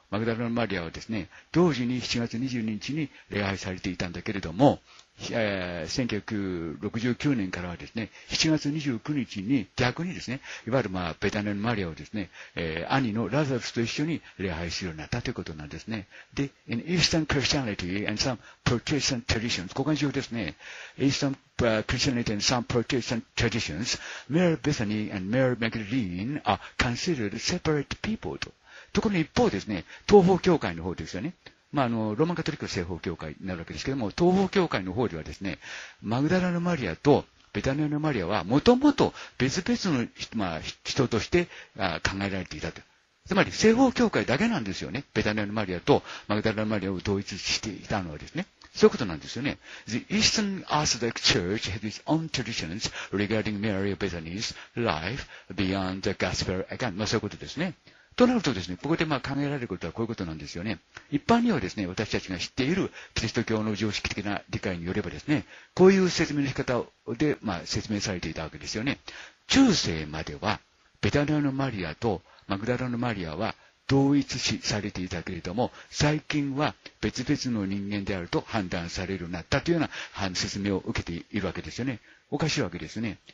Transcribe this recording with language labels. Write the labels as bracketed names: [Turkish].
[Japanese] マグダラのマリアはですね、同時に7月22日に礼拝されていたんだけれども、1969年からはですね、7月29日に逆にですね、いわゆるまあベタネのマリアをですね、兄のラザルスと一緒に礼拝するようになったということなんですね。 [English] で、in Eastern Christianity and some Protestant traditions、 [Japanese] ここが重要ですね。 [English] Eastern Christianity and some Protestant traditions, Mary Bethany and Mary Magdalene are considered separate people と。 [Japanese] ところに一方ですね、東方教会の方ですよね。まあ、ローマンカトリック西方教会になるわけですけども、東方教会の方ではですね、マグダラのマリアとベタニアのマリアは、もともと別々の、まあ、人として考えられていたと。つまり、西方教会だけなんですよね。ベタニアのマリアとマグダラのマリアを統一していたのはですね。そういうことなんですよね。 [English] The Eastern Orthodox Church has its own traditions regarding Mary Bethany's life beyond the gospel account. [Japanese] まあ、そういうことですね。となるとですね、ここでまあ考えられることはこういうことなんですよね。一般にはですね、私たちが知っているキリスト教の常識的な理解によればですね、こういう説明の仕方でまあ説明されていたわけですよね。中世までは、ベタニアのマリアとマグダラのマリアは同一視されていたけれども、最近は別々の人間であると判断されるようになったというような説明を受けているわけですよね。おかしいわけですね。